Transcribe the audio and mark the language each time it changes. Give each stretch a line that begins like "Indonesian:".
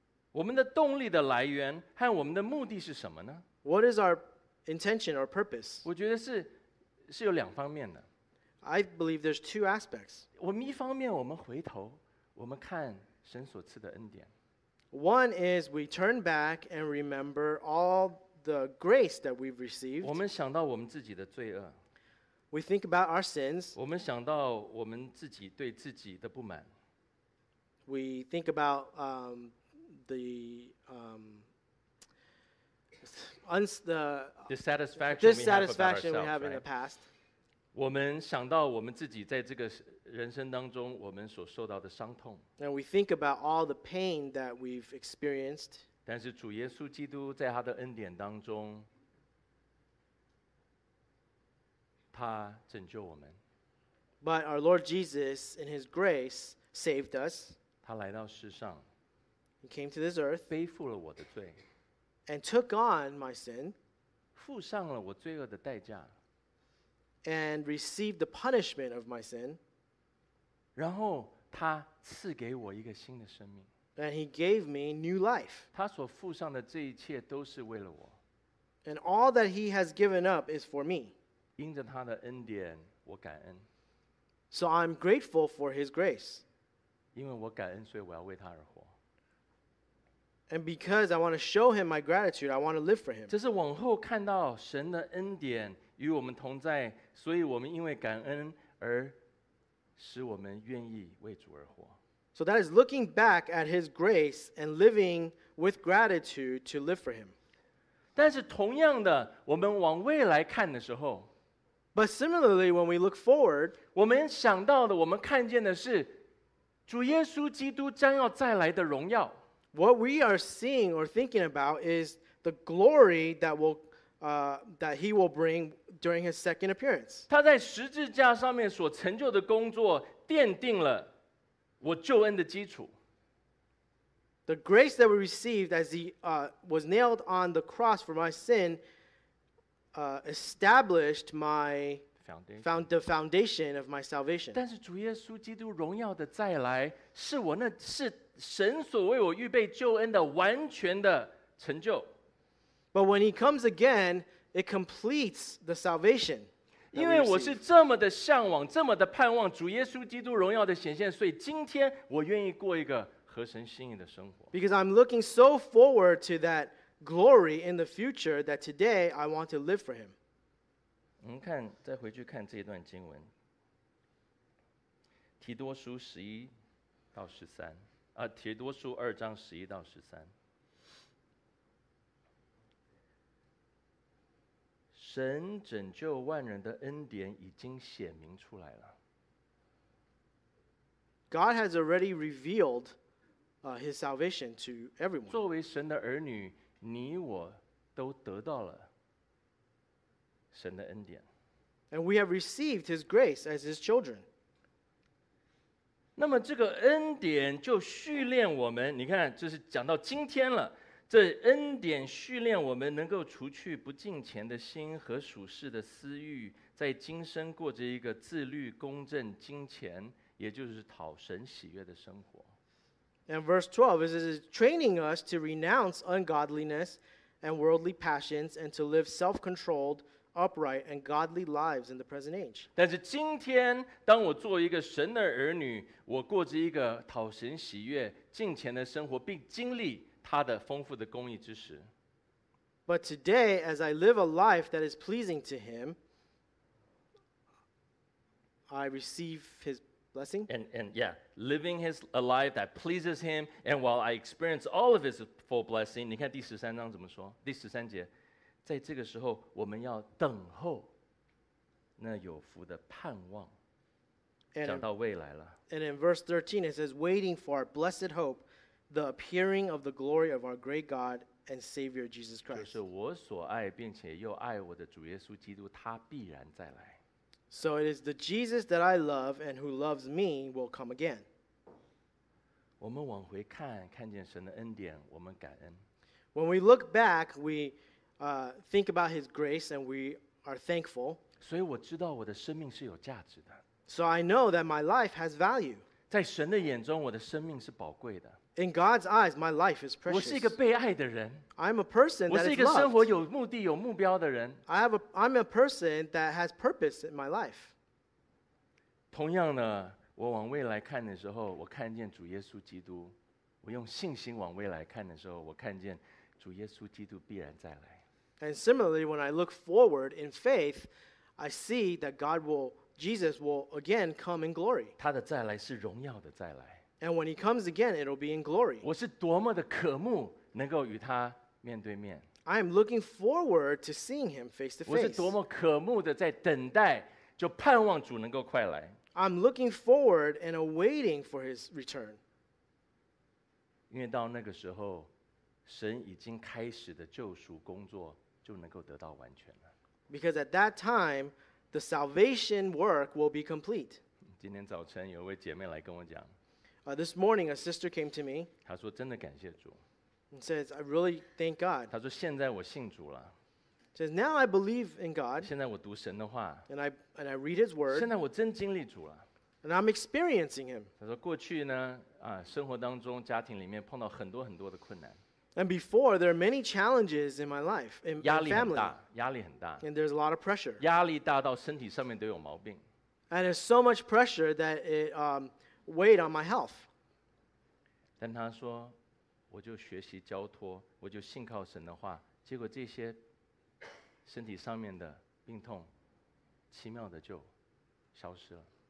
Chinese: 我们的动力的来源和我们的目的是什么呢？
English: What is our intention or purpose?
Chinese: 我觉得是有两方面的。
English: I believe there's two aspects.
Chinese: 我们一方面我们回头我们看神所赐的恩典。
English: One is we turn back and remember all the grace that we've received.
Chinese: 我们想到我们自己的罪恶。
English: We think about our sins.
Chinese: 我们想到我们自己对自己的不满。
English: We think about the dissatisfaction we have in the past.
Chinese: 我们想到我们自己在这个人生当中我们所受到的伤痛。
English: And we think about all the pain that we've experienced.
Chinese: 但是主耶稣基督在他的恩典当中，他拯救我们。
English: But our Lord Jesus, in his grace, saved us.
Chinese: 他来到世上。
English: He came to this earth.
Chinese: 背负了我的罪。
English: And took on my sin.
Chinese: 付上了我罪恶的代价。
English: And received the punishment of my sin.
Chinese: 然后他赐给我一个新的生命。
English: And he gave me new life.
Chinese: 他所付上的这一切都是为了我。
English: And all that he has given up is for me.
Chinese: 因着他的恩典，我感恩。
English: So I'm grateful for his grace.
Chinese: 因为我感恩，所以我要为他而活。
English: And because I want to show him my gratitude, I want to live for him.
Chinese: 这是往后看到神的恩典与我们同在，所以我们因为感恩而使我们愿意为主而活。
English: So that is looking back at his grace and living with gratitude to live for him.
Chinese: 但是同样的，我们往未来看的时候，
English: But similarly, when we look forward,
Chinese: 我们想到的，我们看见的是主耶稣基督将要再来的荣耀。
English: What we are seeing or thinking about is the glory that will, that he will bring during his second appearance.
Chinese: 他在十字架上面所成就的工作奠定了我救恩的基础。
English: The grace that we received as he was nailed on the cross for my sin established my foundation of my salvation.
Chinese: 但是主耶稣基督荣耀的再来是我那是神所为我预备救恩的完全的成就。
English: But when he comes again, it completes the salvation.
Chinese: 因为我是这么的向往，这么的盼望主耶稣基督荣耀的显现，所以今天我愿意过一个合神心意的生活。
English: Because I'm looking so forward to that glory in the future that today I want to live for him.
Chinese: 我们看，再回去看这一段经文，提多书十一到十三。提多书二章十一到十三，神拯救万人的恩典已经显明出来了。
English: God has already revealed his salvation to everyone.
Chinese: 作为神的儿女，你我都得到了神的恩典。
English: And we have received his grace as his children.
Chinese: 那么这个恩典就训练我们，你看，这是讲到今天了。这恩典训练我们能够除去不敬虔的心和属世的私欲，在今生过着一个自律、公正、敬虔，也就是讨神喜悦的生活。
English: And verse 12 is training us to renounce ungodliness and worldly passions and to live self-controlled. Upright and godly lives in the present age.
Chinese: 但是今天，当我作为一个神的儿女，我过着一个讨神喜悦、敬虔的生活，并经历他的丰富的公义之时。
English: But today, as I live a life that is pleasing to Him, I receive His blessing. Living His a life that pleases Him, and while I experience all of His full blessing,
Chinese: 你看第十三章怎么说？第十三节。在这个时候，我们要等候那有福的盼望。讲到未来了。
English: And in verse 13, it says, "Waiting for our blessed hope, the appearing of the glory of our great God and Savior Jesus Christ."
Chinese: 就是我所爱并且又爱我的主耶稣基督，他必然再来。
English: So it is the Jesus that I love and who loves me will come again.
Chinese: 我们往回看，看见神的恩典，我们感恩。
English: When we look back, we think about his grace and we are thankful.
Chinese: 所以我知道我的生命是有价值的。
English: So I know that my life has value.
Chinese: 在神的眼中我的生命是宝贵的。
English: In God's eyes, my life is precious.
Chinese: 我是一个被爱的人。
English: I'm a person that is loved.
Chinese: 我是一个生活有目的有目标的人。
English: I'm a person that has purpose in my life.
Chinese: 同样的，我往未来看的时候，我看见主耶稣基督。我用信心往未来看的时候，我看见主耶稣基督必然再来。
English: And similarly, when I look forward in faith, I see that Jesus will again come in glory.
Chinese: 他的再来是荣耀的再来。
English: And when he comes again, it'll be in glory.
Chinese: 我是多么的渴慕能够与他面对面。
English: I am looking forward to seeing him face to face.
Chinese: 我是多么渴慕的在等待，就盼望主能够快来。
English: I'm looking forward and awaiting for his return.
Chinese: 因为到那个时候，神已经开始的救赎工作就能够得到完全了。
English: Because at that time, the salvation work will be complete.
Chinese: 今天早晨有一位姐妹来跟我讲。
English: This morning, a sister came to me.
Chinese: 她说真的感谢主。
English: And says, I really thank God.
Chinese: 她说现在我信主了。
English: Says, now I believe in God.
Chinese: 现在我读神的话。
English: And I read His word.
Chinese: 现在我真经历主了。
English: And I'm experiencing Him.
Chinese: 他说过去呢，生活当中家庭里面碰到很多很多的困难。
English: And before, there are many challenges in my life, in my family.
Chinese: 压力很大，压力很大。
English: And there's a lot of pressure.
Chinese: 压力大到身体上面都有毛病。
English: And there's so much pressure that it weighed on my health.
Chinese: 但他说，我就学习交托，我就信靠神的话，结果这些。身体上面的病痛，奇妙的就消失了。